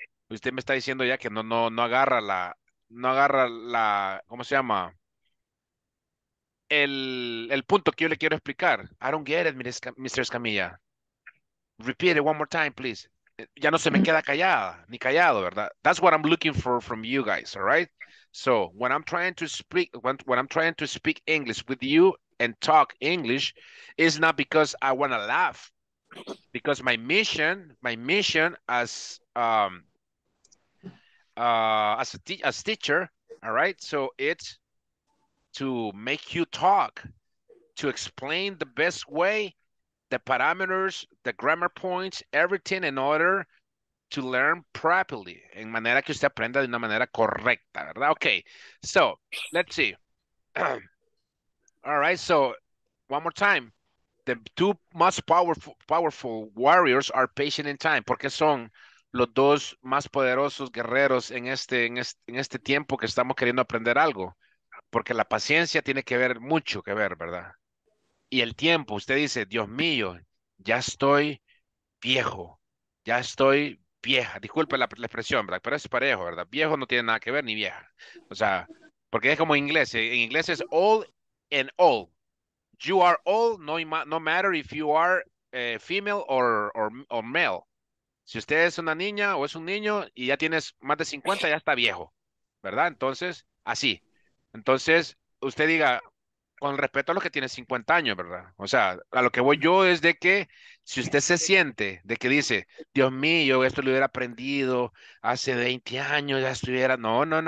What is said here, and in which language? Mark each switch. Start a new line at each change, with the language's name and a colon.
Spanish: Usted me está diciendo ya que no agarra la, ¿cómo se llama? El punto que yo le quiero explicar.
English: I don't get it,
Spanish: Mr. Escamilla.
English: Repeat it one more time, please.
Spanish: Ya no se me queda callada, ni callado, ¿verdad?
English: That's what I'm looking for from you guys, all right? So, when I'm trying to speak English with you and talk English, it's not because I want to laugh. Because my mission as a teacher, all right? So, it's to make you talk, to explain the best way, the parameters, the grammar points, everything in order to learn properly.
Spanish: En manera que usted aprenda de una manera correcta, ¿verdad?
English: Okay, so let's see. All right, so one more time. The two most powerful warriors are patient in time.
Spanish: Porque son los dos más poderosos guerreros en este tiempo que estamos queriendo aprender algo. Porque la paciencia tiene que ver, mucho que ver, ¿verdad? Y el tiempo, usted dice, Dios mío, ya estoy viejo, ya estoy vieja. Disculpe la expresión, ¿verdad? Pero es parejo, ¿verdad? Viejo no tiene nada que ver ni vieja. O sea, porque es como inglés. En inglés es
English: old and old. You are old, no matter if you are female or male.
Spanish: Si usted es una niña o es un niño y ya tienes más de 50, ya está viejo, ¿verdad? Entonces, así. Entonces, usted diga, con respeto a los que tienen 50 años, ¿verdad? O sea, a lo que voy yo es de que si usted se siente de que dice, Dios mío, esto lo hubiera aprendido hace 20 años, ya estuviera, no.